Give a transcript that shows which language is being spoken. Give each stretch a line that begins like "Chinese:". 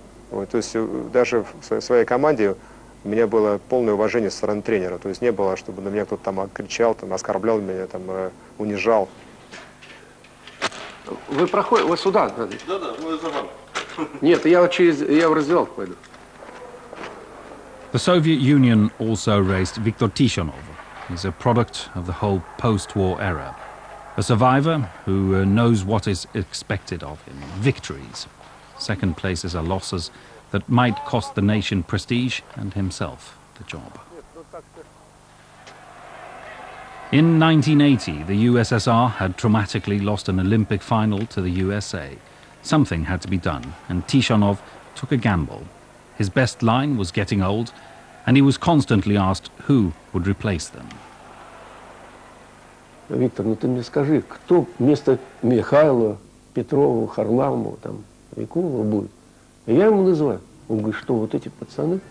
Russian: Вот, то есть даже в своей команде у меня было полное уважение со стороны тренера. То есть не было, чтобы на меня кто-то там кричал, там, оскорблял меня, там, унижал. Вы проходите, вы сюда. Да-да, мы за вами. Нет, я в раздевалку пойду.
English: The Soviet Union also raised Viktor Tikhonov. He's a product of the whole post-war era. A survivor who knows what is expected of him. Victories. Second places are losses that might cost the nation prestige and himself the job. In 1980, the USSR had traumatically lost an Olympic final to the USA. Something had to be done, and Tikhonov took a gamble. His best line was getting old, and he was constantly asked who would replace them.
Russian: Виктор, ну ты мне скажи, кто вместо Михайлова, Петрова, Харламова, там, Викулова будет? Я ему называю. Он говорит, что вот эти пацаны?